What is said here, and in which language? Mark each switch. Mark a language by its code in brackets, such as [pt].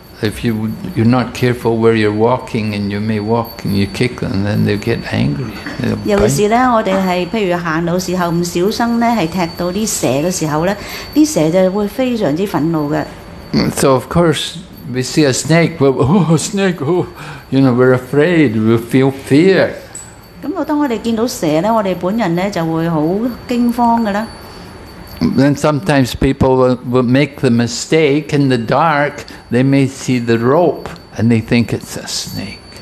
[en] If you're not careful where you're walking and you may walk and you kick them, then they get angry. [yue] 尤其是呢，我哋係譬如行路時候唔小心呢，係踢到啲蛇嘅時候呢，啲蛇就會非常之憤怒嘅。 [en] So of course, we see a snake, but, oh, a snake, oh, you know, we're afraid, we feel fear. [yue] 咁我當我哋見到蛇呢，我哋本人呢，就會好驚慌㗎啦。 [en] Then sometimes people will make the mistake in the dark, they may see the rope and they think it's a snake.